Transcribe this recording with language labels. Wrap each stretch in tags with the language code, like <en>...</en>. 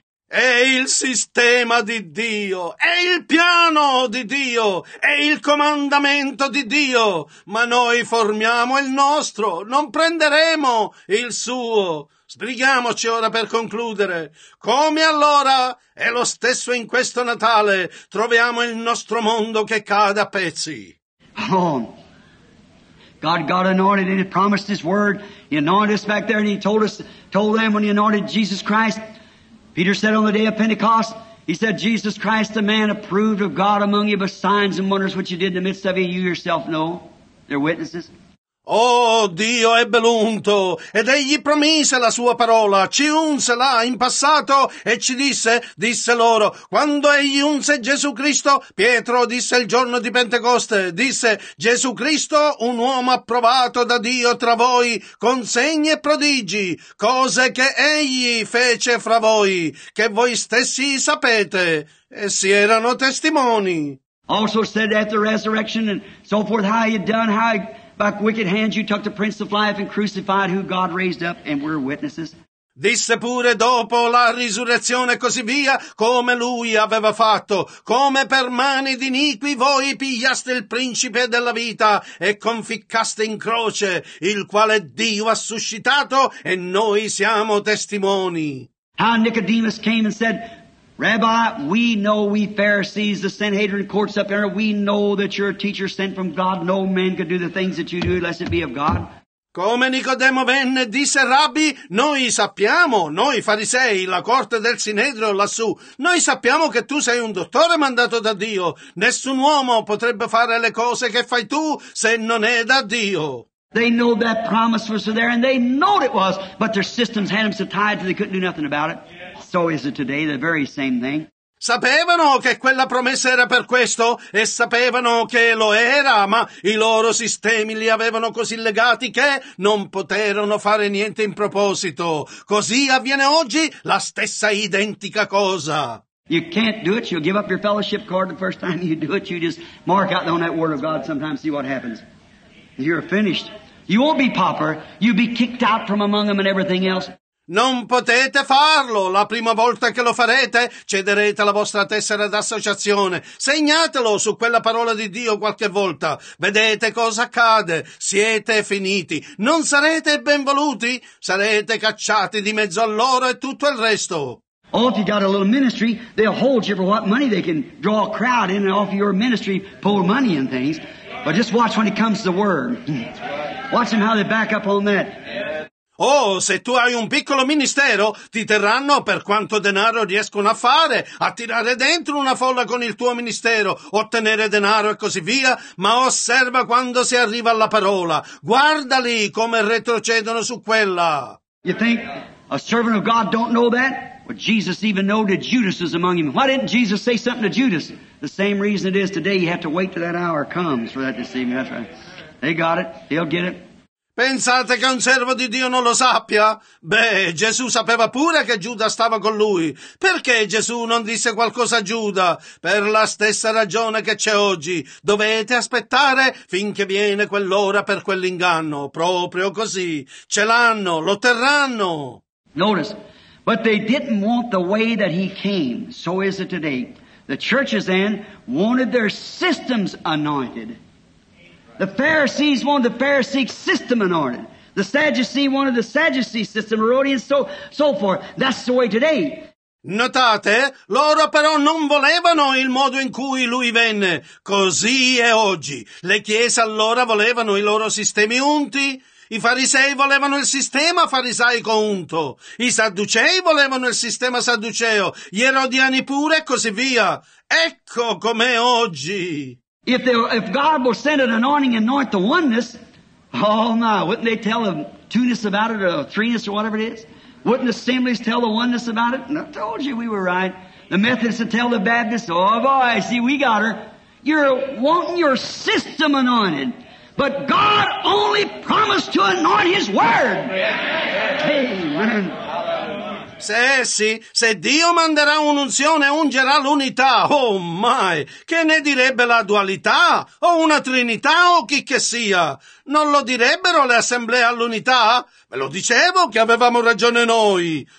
<it>È il sistema di Dio, è il piano di Dio, è il comandamento di Dio. Ma noi formiamo il nostro, non prenderemo il suo. Sbrighiamoci ora per concludere. Come allora è lo stesso in questo Natale, troviamo il nostro mondo che cade a pezzi.</it> <en>Oh, God got anointed and he promised his word. He anointed us back there and he told them when he anointed Jesus Christ. Peter said on the day of Pentecost, he said, Jesus Christ, the man approved of God among you, but signs and wonders which you did in the midst of you, you yourself know. They're witnesses.</en> <it>Oh, Dio ebbe l'unto, ed egli promise la sua parola, ci unse là in passato, e ci disse loro, quando egli unse Gesù Cristo, Pietro disse il giorno di Pentecoste, disse, Gesù Cristo, un uomo approvato da Dio tra voi, con segni e prodigi, cose che egli fece fra voi, che voi stessi sapete, essi erano testimoni.</it> <en>Also said at the resurrection and so forth, how he had done, how he... By wicked hands you took the prince of life and crucified who God raised up and we're witnesses.</en> <it>Disse pure dopo la risurrezione così via come lui aveva fatto, come per mani di iniqui voi pigliaste il principe della vita e conficcaste in croce, il quale Dio ha suscitato e noi siamo testimoni.</it> <en>How Nicodemus came and said, Rabbi, we know we Pharisees, the Sanhedrin courts up there, we know that you're a teacher sent from God. No man could do the things that you do unless it be of God.</en> <it>Come Nicodemo venne, disse Rabbi, noi sappiamo, noi farisei, la corte del Sinedrio lassù, noi sappiamo che tu sei un dottore mandato da Dio. Nessun uomo potrebbe fare le cose che fai tu se non è da Dio.</it> <en>They know that promise was there and they know it was, but their systems had them so tied that they couldn't do nothing about it. So is it today, the very same thing.</en> <it>Sapevano che quella promessa era per questo e sapevano che lo era, ma i loro sistemi li avevano così legati che non poterono fare niente in proposito. Così avviene oggi la stessa identica cosa.</it> <en>You can't do it, you'll give up your fellowship card the first time you do it, you just mark out on that word of God sometimes, see what happens. You're finished. You won't be pauper, you'll be kicked out from among them and everything else.</en> <it>Non potete farlo. La prima volta che lo farete, cederete la vostra tessera d'associazione. Segnatelo su quella parola di Dio qualche volta. Vedete cosa accade. Siete finiti. Non sarete benvoluti. Sarete cacciati di mezzo a loro e tutto il resto.</it> <en>Oh, if you got a little ministry, they'll hold you for what money they can draw a crowd in and off your ministry, pour money and things. But just watch when it comes to the word. Watch them how they back up on that.</en> <it>Oh, se tu hai un piccolo ministero, ti terranno per quanto denaro riescono a fare, a tirare dentro una folla con il tuo ministero, ottenere denaro e così via, ma osserva quando si arriva alla parola. Guardali come retrocedono su quella.</it> <en>You think a servant of God don't know that? Well, Jesus even knew that Judas is among him. Why didn't Jesus say something to Judas? The same reason it is today, you have to wait till that hour comes for that to see me. That's right. They got it. They'll get it.</en> <it>Pensate che un servo di Dio non lo sappia? Beh, Gesù sapeva pure che Giuda stava con lui. Perché Gesù non disse qualcosa a Giuda? Per la stessa ragione che c'è oggi. Dovete aspettare finché viene quell'ora per quell'inganno. Proprio così. Ce l'hanno, lo terranno.</it> <en>Notice, but they didn't want the way that he came. So is it today. The churches then wanted their systems anointed. The Pharisees wanted the Pharisee system anointed. The Sadducee wanted the Sadducee system, Herodians, so forth. That's the way today.</en> <it>Notate, loro però non volevano il modo in cui lui venne. Così è oggi. Le chiese allora volevano i loro sistemi unti. I farisei volevano il sistema farisaico unto. I sadducei volevano il sistema sadduceo. Gli erodiani pure e così via. Ecco com'è oggi.</it> <en>If God will send an anointing and anoint the oneness, oh no, wouldn't they tell a two-ness about it or a three-ness or whatever it is? Wouldn't the assemblies tell the oneness about it? And I told you we were right. The Methodists would tell the Baptists, oh boy, see, we got her. You're wanting your system anointed, but God only promised to anoint His Word. Amen.</en> <it>Se essi, se Dio manderà un'unzione, ungerà l'unità, oh mai, che ne direbbe la dualità, o una trinità, o chi che sia? Non lo direbbero le assemblee all'unità? Ve lo dicevo che avevamo ragione noi.</it>